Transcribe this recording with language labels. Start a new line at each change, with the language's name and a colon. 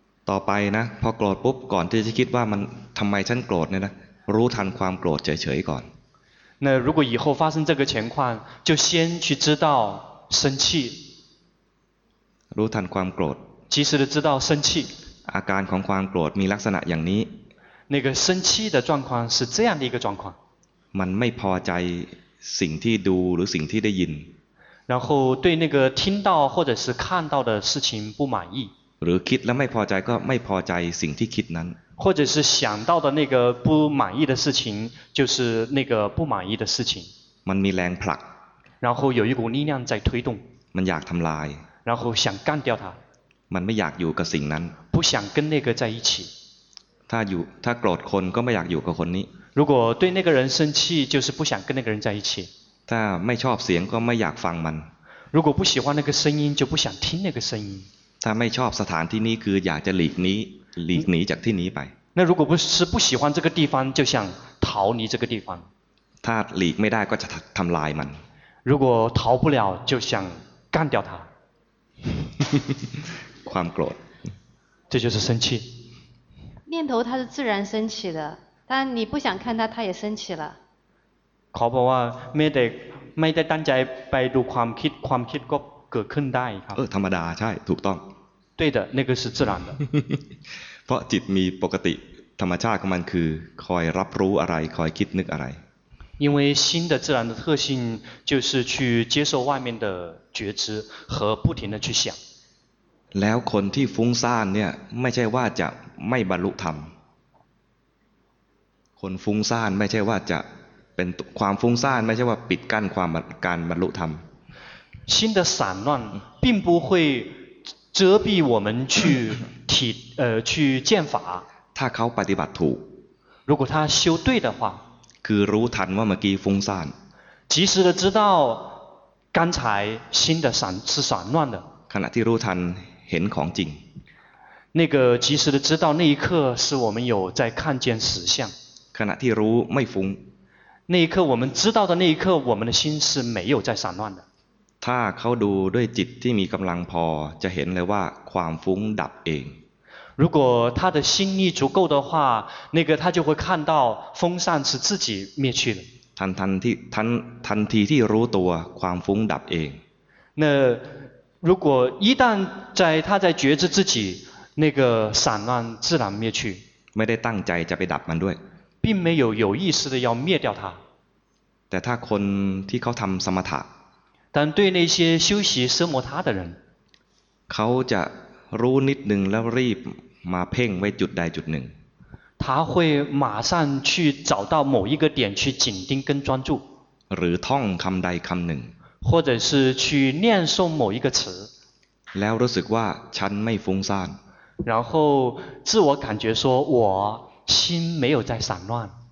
Thai: ต่อไปนะพอโกรธปุ๊บก่อนที่จะคิดว่ามันทำไมฉันโกรธเนี่ยนะรู้ทันความโกรธเฉยๆก่อน
Chinese: 那如果以后发生这个情况就先去知道生气
Thai: รู้ทันความโกรธ
Chinese: 及时的知道生气
Thai: อาการของความโกรธมีลักษณะอย่างนี้
Chinese: 那个生气的状况是这样的一个状况
Thai: มันไม่พอใจสิ่งที่ดูหรือสิ่งที่ได้ยิน
Chinese: 然后对那个听到或者是看到的事情不满意
Thai: หรือคิดแล้วไม่พอใจก็ไม่พอใจสิ่งที่คิดนั้น
Chinese: 或者是想到的那个不满意的事情就是那个不满意的事情
Thai: มันมีแรงผลัก
Chinese: 然后有一股力量在推动
Thai: มันอยากทำลาย
Chinese: 然后想干掉它
Thai: มันไม่อยากอยู่กับสิ่งนั้น
Chinese: 不想跟那个在一起
Thai: ถ้าอยู่ถ้าโกรธคนก็ไม่อยากอยู่กับคนนี้
Chinese: 如果对那个人生气就是不想跟那个人在一起
Thai: ถ้าไม่ชอบเสียงก็ไม่อยากฟังมัน
Chinese: 如果不喜欢那个声音就不想听那个声音
Thai: ถ้าไม่ชอบสถานที่นี้คืออยากจะหลีกหนีจากที่นี้ไป
Chinese: 那如果不喜欢这个地方就想逃离这个地方
Thai: ถ้าหลีกไม่ได้ก็จะทําลายมัน
Chinese: 如果逃不了就想干掉它
Thai: ความโกรธ
Chinese: 这就是生气念头它是自然升起的但你不想看它它也升起了考宝啊没得当在百度
Thai: ความคิดก็เกิดขึ้นได้ครับ ธรรมดาใช่ถูกต้อง
Chinese: 对的那个是自然的
Thai: เพราะจิตมีปกติธรรมชาติของมันคือคอยรับรู้อะไรคอยคิดนึกอะไร
Chinese: 因为心的自然的特性就是去接受外面的觉知和不停的去想
Thai: แล้วคนที่ฟุ้งซ่านเนี่ยไม่ใช่ว่าจะไม่บรรลุธรรมคนฟุ้งซ่านไม่ใช่ว่าจะเป็นความฟุ้งซ่านไม่ใช่ว่าปิดกั้นความการบรรลุธรรม
Chinese: 心的散乱并不会遮蔽我们去体去见法
Thai: ถ้าเขาปฏิบัติถูก
Chinese: 如果他修对的话
Thai: คือรู้ทันว่าเมื่อกี้ฟุ้งซ่าน
Chinese: 及时的知道刚才心的散是散乱的
Thai: ขณะที่รู้ทันเห็นของจริง
Chinese: 那个及时的知道那一刻是我们有在看见实相
Thai: ขณะที่รู้ไม่ฟุ้ง
Chinese: 那一刻我们知道的那一刻我们的心是没有在散乱的
Thai: ถ้าเขาดูด้วยจิตที่มีกำลังพอจะเห็นเลยว่าความฟุ้งดับเอง
Chinese: 如果他的心力足够的话那个他就会看到风扇是自己灭去了
Thai: ทันทีที่รู้ตัวความฟุ้งดับเอง
Chinese: 那如果一旦在他在觉知自己那个散乱自然灭去
Thai: ไม่ได้ตั้งใจจะไปดับมันด้วย
Chinese: 并没有有意识的要灭掉它
Thai: แต่ถ้าคนที่เขาทำสมถะ
Chinese: 但对那些修习奢摩他的人
Thai: เขาจะรู้นิดหนึ่งแล้วรีบมาเพ่งไว้จุดใดจุดหนึ่ง
Chinese: 他会马上去找到某一个点去紧盯跟专注
Thai: หรือท่องคำใดคำหนึ่ง
Chinese: 或者是去念诵某一个词
Thai: แล้วรู้สึกว่าฉันไม่ฟุ้งซ่าน
Chinese: 然后自我感觉说我心没有在散乱